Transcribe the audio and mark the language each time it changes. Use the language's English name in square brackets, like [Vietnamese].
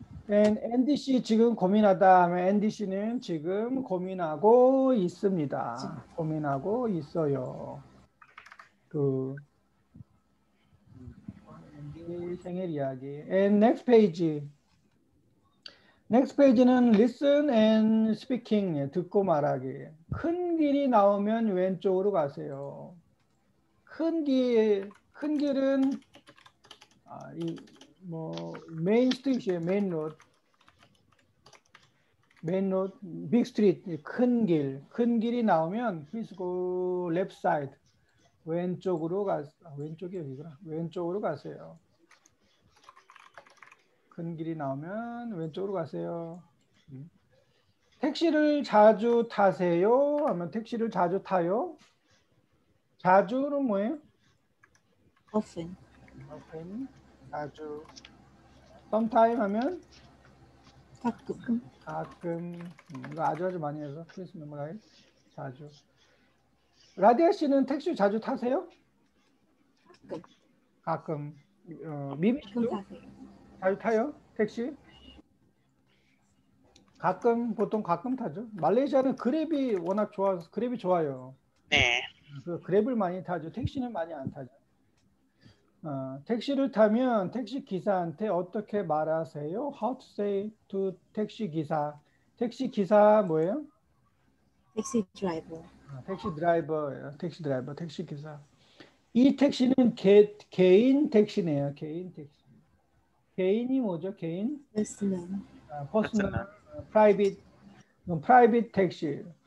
[Korean] And Andy 씨 지금 고민하다 하면 Andy 씨는 지금 고민하고 있습니다. 고민하고 있어요. 그 Andy 생일 이야기. [English] And next page. Next page는 listen and speaking, [Korean] 듣고 말하기. 큰 길이 나오면 왼쪽으로 가세요. 큰 길은 아, 이 뭐 메인 스트리트예요. 메인 로드. 메인 로드, 빅 스트리트, 큰 길. 큰 길이 나오면 [English] please go left side. [Korean] 왼쪽으로 가세요. 아, 왼쪽이 여기구나. 왼쪽으로 가세요. 큰 길이 나오면 왼쪽으로 가세요. 택시를 자주 타세요? 하면 택시를 자주 타요? 자주는 뭐예요? [English] Often. Often. 자주. Sometime 하면? [Korean] 가끔. 가끔. 이거 아주 아주 많이 해서 [English] Please memorize. [Korean] 자주. 라디아 씨는 택시 자주 타세요? 가끔. 가끔. 미비 씨도? 자주 타요? 택시? 가끔 보통 가끔 타죠. 말레이시아는 그랩이 워낙 좋아서 그랩이 좋아요. 네. 그 그랩을 많이 타죠. 택시는 많이 안 타죠. 택시를 타면 택시 기사한테 어떻게 말하세요? [English] How to say to 택시 기사? [Korean] 택시 기사 뭐예요? 택시 드라이버. 택시 드라이버예요. 택시 드라이버, 택시 기사. 이 택시는 개인 택시네요. 개인 택시. 개인이 뭐죠? 개인? 퍼스널. 프라이빗 택시.